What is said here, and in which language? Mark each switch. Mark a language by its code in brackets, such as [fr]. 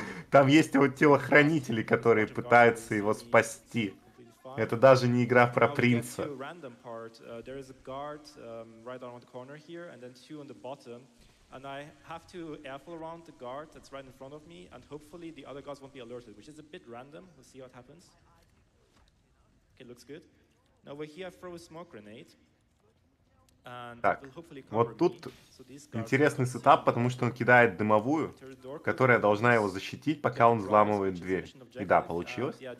[ru] Там есть его телохранители, которые пытаются его спасти. Это даже не игра про принца. [en] There is a guard right around the corner here, and then two on the bottom. And I have to airfall around the guard that's right in front of me, and hopefully the other guards won't be alerted, which is a bit random. We'll see what happens. Okay, looks good. Now over here I throw a smoke grenade, and [ru] так, [en] it will hopefully cover [ru] вот тут интересный сетап, потому что он кидает дымовую, которая должна его защитить, пока он взламывает дверь. И да, получилось.